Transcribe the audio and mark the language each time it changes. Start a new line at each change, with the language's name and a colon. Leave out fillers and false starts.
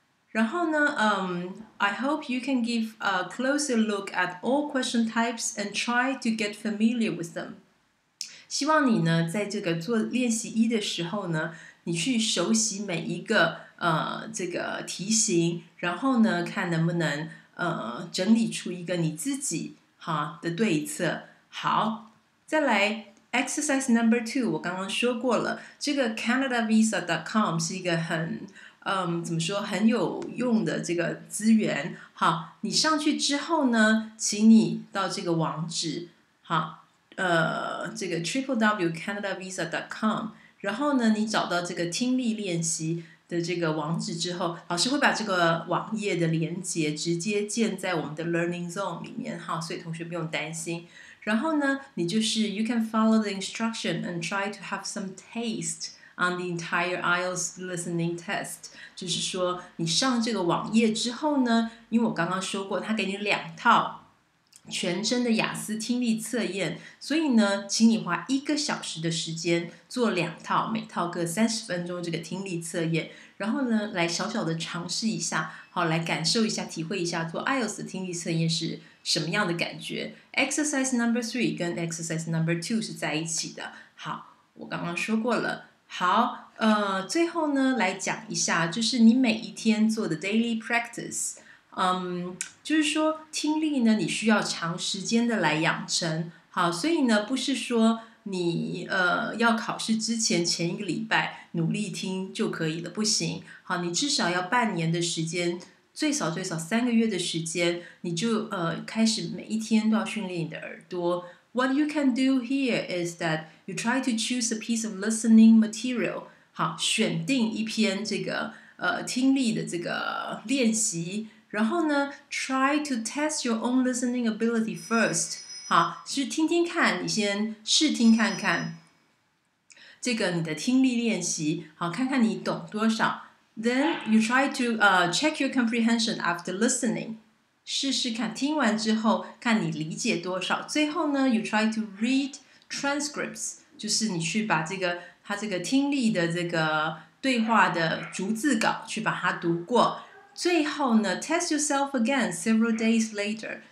Chinese: 然后呢，
English: I hope you can give a closer look at all question types and try to get familiar with them。
Chinese: 希望你呢，在这个做练习一的时候呢，你去熟悉每一个这个题型，然后呢，看能不能整理出一个你自己哈的对策。好，再来。
English: Exercise number two，
Chinese: 我刚刚说过了，这个 CanadaVisa.com 是一个很怎么说很有用的这个资源。好，你上去之后呢，请你到这个网址，好，这个 www.canadavisa.com， 然后呢，你找到这个听力练习的这个网址之后，老师会把这个网页的连结直接建在我们的 Learning Zone 里面，好，所以同学不用担心。然后呢，你就是
English: you can follow the instruction and try to have some taste on the entire IELTS listening test。
Chinese: 就是说你上这个网页之后呢，因为我刚刚说过他给你两套全真的雅思听力测验，所以呢请你花一个小时的时间做两套，每套各30分钟这个听力测验，然后呢来小小的尝试一下，好，来感受一下，体会一下做 IELTS 听力测验是什么样的感觉。
English: Exercise number three
Chinese: 跟
English: exercise number two
Chinese: 是在一起的。好，我刚刚说过了。好，最后呢来讲一下，就是你每一天做的 daily practice。就是说听力呢你需要长时间的来养成。好，所以呢不是说你要考试之前前一个礼拜努力听就可以了，不行。好，你至少要半年的时间，最少最少三个月的时间，你就开始每一天都要训练你的耳朵。
English: What you can do here is that you try to choose a piece of listening material。
Chinese: 好，选定一篇这个听力的这个练习，然后呢
English: try to test your own listening ability first。
Chinese: 好，去听听看，你先试听看看这个你的听力练习，好，看看你懂多少。
English: Then you try to check your comprehension after listening.
Chinese: 试试看，听完之后看你理解多少。最后呢
English: you try to read transcripts.
Chinese: 就是你去把这个他这个听力的这个对话的逐字稿去把它读过。最后呢
English: test yourself again several days later.